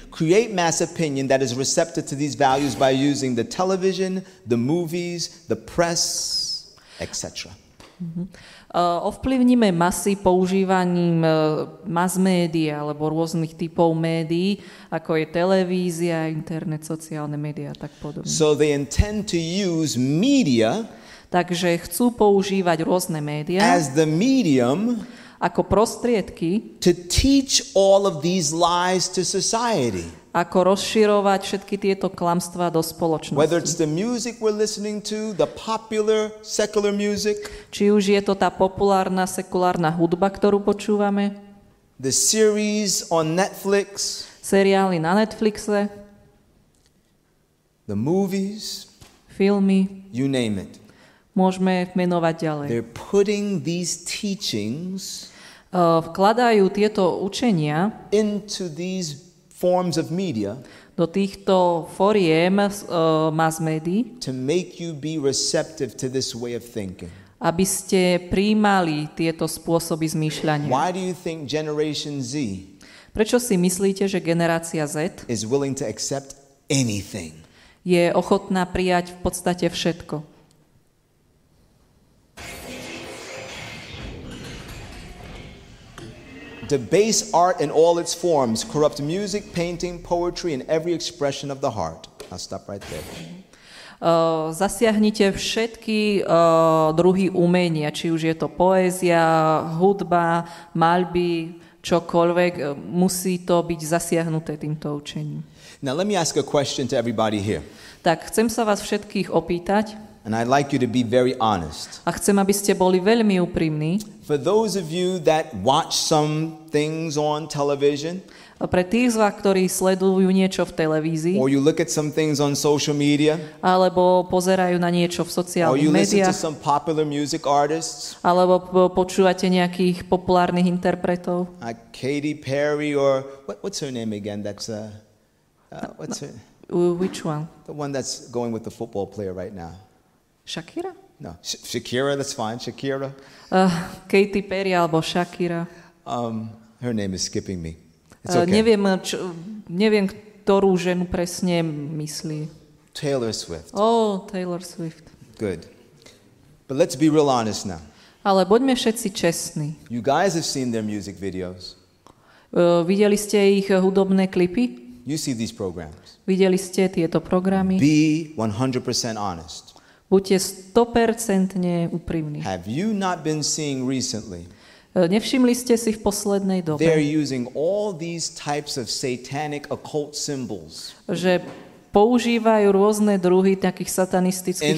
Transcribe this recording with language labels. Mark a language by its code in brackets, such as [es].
[en] Create mass opinion that is receptive to these values by using the television, the movies, the press, etc. [sk] Ovplyvníme masy používaním mass media alebo rôznych typov médií, ako je televízia, internet, sociálne médiá a tak podobne. [en] So they intend to use media. [sk] Takže chcú používať rôzne médiá [en] as the medium [sk] ako prostriedky [en] to teach all of these lies to society. [sk] Ako rozširovať všetky tieto klamstvá do spoločnosti. [en] Whether it's the music we're listening to, the popular secular music. [sk] Či už je to tá populárna sekulárna hudba, ktorú počúvame. [en] The series on Netflix. [sk] Seriály na Netflixe. [en] The movies. [sk] Filmy. [en] You name it. [sk] Môžeme menovať ďalej. [en] They're putting these teachings [sk] vkladajú tieto učenia [en] into these forms of media [sk] do týchto foriem mass médií [en] to make you be receptive to this way of thinking. [sk] Aby ste prijímali tieto spôsoby zmýšľania. [en] Why do you think Generation Z? [sk] Prečo si myslíte, že generácia Z [en] is willing to accept anything? [sk] Je ochotná prijať v podstate všetko. [en] Debase art in all its forms, corrupt music, painting, poetry and every expression of the heart. I'll stop right there. [sk] Zasiahnite všetky druhy umenia, či už je to poézia, hudba, maľby, čokoľvek, musí to byť zasiahnuté týmto učením. [en] Now let me ask a question to everybody here. [sk] Tak chcem sa vás všetkých opýtať. [en] And I'd like you to be very honest. [sk] A chcem, aby ste boli veľmi úprimní. [en] For those of you that watch some things on television, [sk] a pre tých z vás, ktorí sledujú niečo v televízii, [en] or you look at some things on social media, [sk] alebo pozerajú na niečo v sociálnych médiách, [en] or you listen to some popular music artists, [sk] alebo počúvate nejakých populárnych interpretov, [en] like Katy Perry or what's her name again? That's what's her? Which one? The one that's going with the football player right now. Shakira? No, Shakira, that's fine, Shakira. [sk] Katy Perry alebo Shakira. [en] Her name is skipping me. It's okay. [sk] Neviem, ktorú ženu presne myslí. [en] Taylor Swift. Oh, Taylor Swift. Good. But let's be real honest now. [sk] Ale buďme všetci čestní. [en] You guys have seen their music videos. [sk] Videli ste ich hudobné klipy? [en] You see these programs. [sk] Videli ste tieto programy? [en] Be 100% honest. [sk] Buďte 100% úprimní. [en] Have you not been seeing recently? [sk] Nevšimli ste si v poslednej dobe? [en] They're using all these types of satanic occult symbols. [sk] Že používajú rôzne druhy takých satanistických